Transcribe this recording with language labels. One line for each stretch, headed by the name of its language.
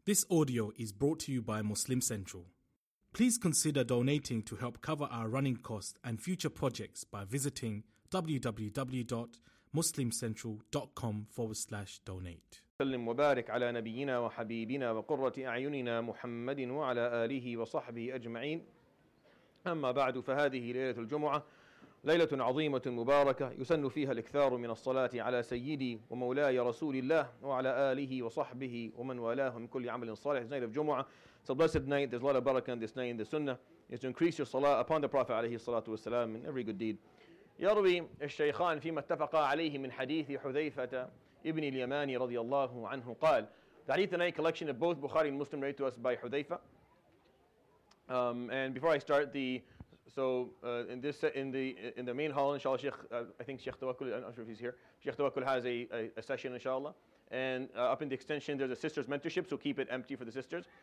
English: This audio is brought to you by Muslim Central. Please consider donating to help cover our running costs and future projects by visiting www.muslimcentral.com/donate.
Arabic: سلم وبارك على نبينا وحبيبنا وقرة أعيننا محمد وعلى آله وصحبه أجمعين. أما بعد فهذه ليلة الجمعة ليلة عظيمة مباركة يسن فيها الإكثار من الصلاة على سيدي ومولاي رسول الله وعلى آله وصحبه ومن والاهم كل عمل صالح.
English: It's night of Jumu'ah. It's a blessed night. There's a lot of barakah in this night in the sunnah. It's to increase your salah upon the Prophet
Arabic: عليه الصلاة والسلام
English: in every good deed.
Arabic: يروي الشيخان فيما اتفقا عليه من حديث حذيفة ابن اليماني رضي الله عنه قال.
English: The hadith and a collection of both Bukhari and Muslim related to us by حذيفة. And before I start the in the main hall, inshallah, Sheikh, I think Sheikh Tawakkul, I'm not sure if he's here. Sheikh Tawakkul has a session, inshallah. And up in the extension, there's a sister's mentorship, so keep it empty for the sisters.